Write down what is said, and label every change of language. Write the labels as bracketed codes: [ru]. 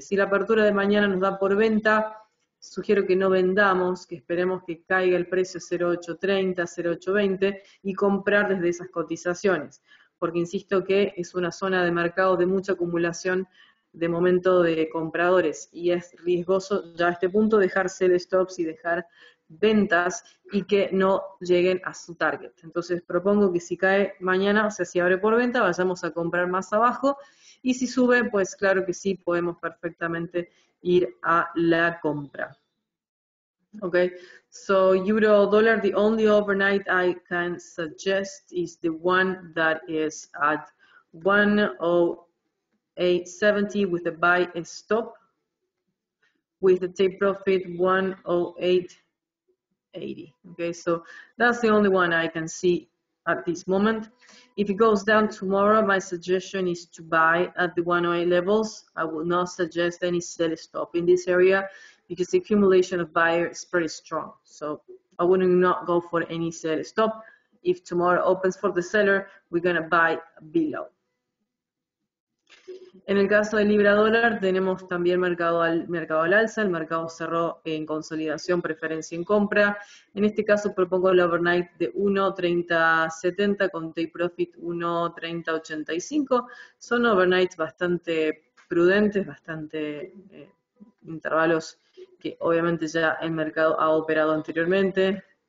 [es] Si la apertura de mañana nos da por venta, sugiero que no vendamos, que esperemos que caiga el precio 0,830, 0,820 y comprar desde esas cotizaciones, porque insisto que es una zona de mercado de mucha acumulación de momento de compradores y es riesgoso ya a este punto dejar sell stops y dejar ventas y que no lleguen a su target. Entonces propongo que si cae mañana, o sea, si abre por venta, vayamos a comprar más abajo y si sube, pues claro que sí, podemos perfectamente ir a la compra. [en] Ok, so euro dollar, the only overnight I can suggest is the one that is at 1,0870 with a buy stop with a take profit 1,0880. Ok, so that's the only one I can see at this moment. If it goes down tomorrow, my suggestion is to buy at the 108 levels. I will not suggest any sell stop in this area because the accumulation of buyer is pretty strong. So I would not go for any sell stop. If tomorrow opens for the seller, we're going to buy below. [es] En el caso de Libra Dólar, tenemos también mercado al alza, el mercado cerró en consolidación, preferencia en compra. En este caso propongo el overnight de 1,3070 con take profit 1,3085. Son overnights bastante prudentes, bastante intervalos que obviamente ya el mercado ha operado anteriormente.